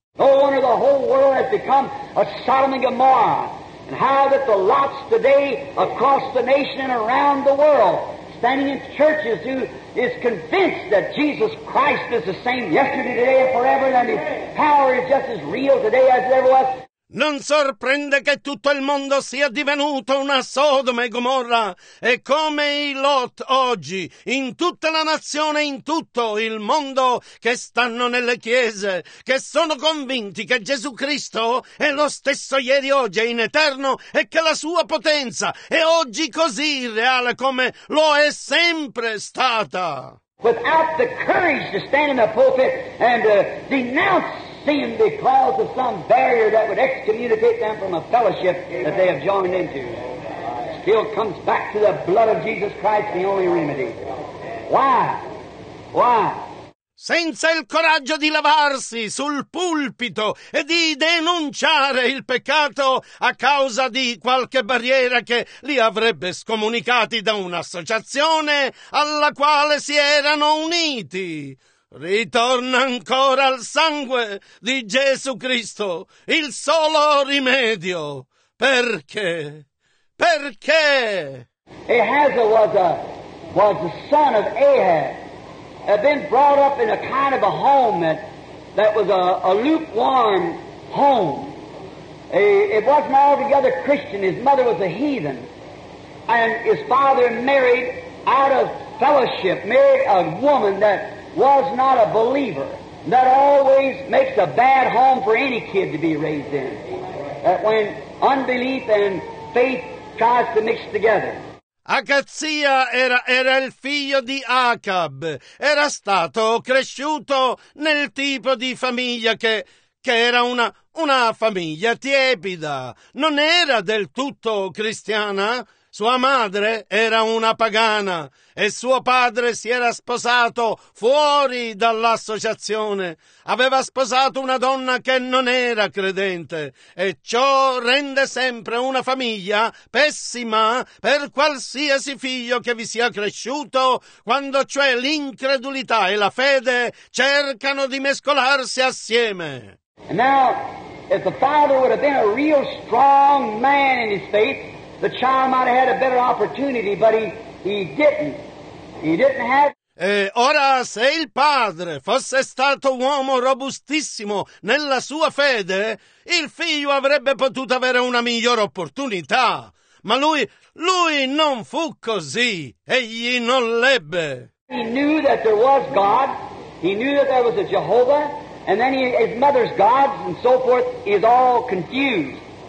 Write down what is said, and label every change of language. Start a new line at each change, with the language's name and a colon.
English: No wonder the whole world has become a Sodom and Gomorrah, and how that the lots today across the nation and around the world, standing in churches, who is convinced that Jesus Christ is the same yesterday, today, and forever, and his power is just as real today as it ever was.
Italian: Non sorprende che tutto il mondo sia divenuto una Sodoma e Gomorra, e come i Lot oggi, in tutta la nazione, in tutto il mondo, che stanno nelle chiese, che sono convinti che Gesù Cristo è lo stesso ieri, oggi e in eterno, e che la sua potenza è oggi così reale come lo è sempre stata.
English: Without the courage to stand in the pulpit and denounce sin because of some barrier that would excommunicate them from a fellowship that they have joined into, still comes back to the blood of Jesus Christ, the only remedy. Why? Why?
Italian: Senza il coraggio di lavarsi sul pulpito e di denunciare il peccato a causa di qualche barriera che li avrebbe scomunicati da un'associazione alla quale si erano uniti, ritorna ancora al sangue di Gesù Cristo, il solo rimedio. Perché? Perché?
English: Ahazah was the son of Ahab, had been brought up in a kind of a home that was a lukewarm home. It wasn't altogether Christian. His mother was a heathen, and his father married out of fellowship, married a woman that was not a believer. That always makes a bad home for any kid to be raised in, that when unbelief and faith tries to mix together.
Italian: Acazia era il figlio di Acab, era stato cresciuto nel tipo di famiglia che era una famiglia tiepida, non era del tutto cristiana. Sua madre era una pagana e suo padre si era sposato fuori dall'associazione. Aveva sposato una donna che non era credente, e ciò rende sempre una famiglia pessima per qualsiasi figlio che vi sia cresciuto, quando cioè l'incredulità e la fede cercano di mescolarsi assieme.
English: Now, if the father would have been a real strong man in his faith, the child might have had a better opportunity, but he didn't. He didn't have.
Italian: E ora, se il padre fosse stato uomo robustissimo nella sua fede, il figlio avrebbe potuto avere una migliore opportunità. Ma lui non fu così. Egli non l'ebbe.
English: He knew that there was God. He knew that there was a Jehovah, and then his mother's gods and so forth is all confused.